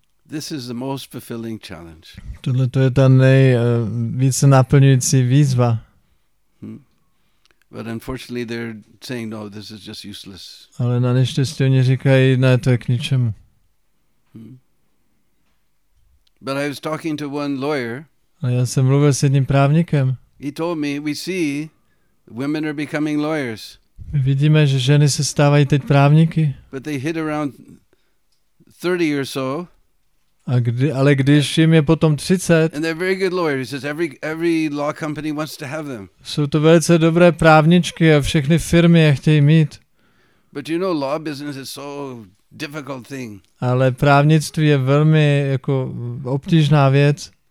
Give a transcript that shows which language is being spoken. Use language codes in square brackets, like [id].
[en] This is the most fulfilling challenge. [cs] Tohle to je ta nejvíce naplňující výzva. [en] But unfortunately they're saying no, this is just useless. [cs] Ale na neštěstí oni říkají, ne, to je k ničemu. [en] But I was talking to one lawyer. [cs] A já jsem mluvil s jedním právníkem. [en] He told me, we see women are becoming lawyers. [cs] Vidíme, že ženy se stávají teď právníky. [en] But they hit around 30 or so. [cs] Ale když jim je potom 30, [en] and they're very good lawyers. Every law company wants to have them. [cs] Jsou to velice dobré právničky a všechny firmy je chtějí mít. [en] But you know, law business is so difficult thing. [cs] Ale právnictví je velmi jako obtížná věc.